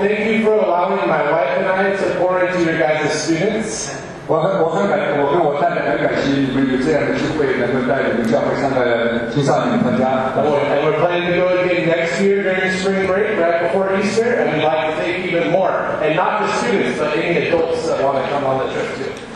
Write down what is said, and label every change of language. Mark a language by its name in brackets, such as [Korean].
[English] Thank you for allowing my wife and I to pour into your guys' students. [Chinese] 我跟我太太很感激你们有这样的机会，能够带你们教会上的青少年参加。 [English] And we're planning to go again next year during spring break, right before Easter, and we'd like to thank even more. And not just students, but any adults that want to come on the trip too.